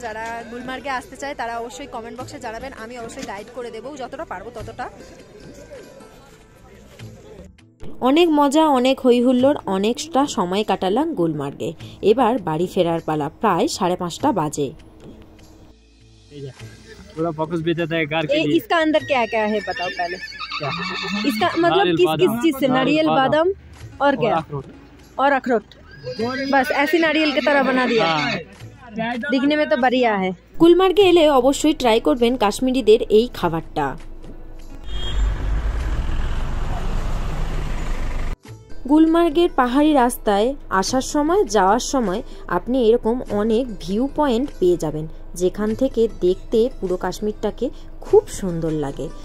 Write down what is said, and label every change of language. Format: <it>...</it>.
<bn>যারা গুলমার্গে আসতে চায় তারা অবশ্যই কমেন্ট বক্সে জানাবেন, আমি অবশ্যই গাইড করে দেবো যতটা পারবো ততটা। অনেক মজা, অনেক হইহুল্লোর, অনেকটা সময় কাটালাম গুলমার্গে, এবার বাড়ি ফেরার পালা, প্রায় 5:30 বাজে।</bn> <hi>पूरा फोकस बेचा था कार के लिए। इसका अंदर क्या क्या है बताओ पहले, इसका मतलब किस किस चीज से, नारियल, बादाम और क्या, और अखरोट, बस ऐसी नारियल की तरह बना दिया, दिखने में तो बढ़िया है।</hi> <bn>गुलमर्ग এলে অবশ্যই ট্রাই করবেন কাশ্মীরিদের এই খাবারটা। গুলমার্গের পাহাড়ি রাস্তায় আসার সময়, যাওয়ার সময় আপনি এরকম অনেক ভিউ পয়েন্ট পেয়ে যাবেন যেখান থেকে দেখতে পুরো কাশ্মীরটাকে খুব সুন্দর লাগে।</bn>